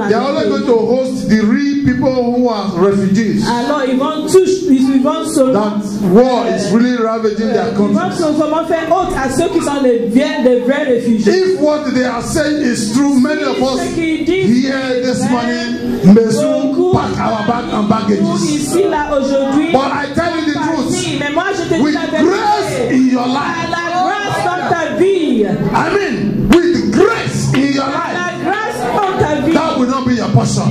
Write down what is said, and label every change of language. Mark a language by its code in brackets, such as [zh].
[en] à they are only going to host the real people who are refugees. [fr] Alors, ils vont toucher, ils vont se [en] that war is really ravaging their countries. [fr] Ils vont faire honte à ceux qui sont les vrais réfugiés. [en] If what they are saying is true, many of us here this morning may soon pack our bags and baggages. But I tell you the truth, with grace in your life, with grace in your life, that will not be your portion.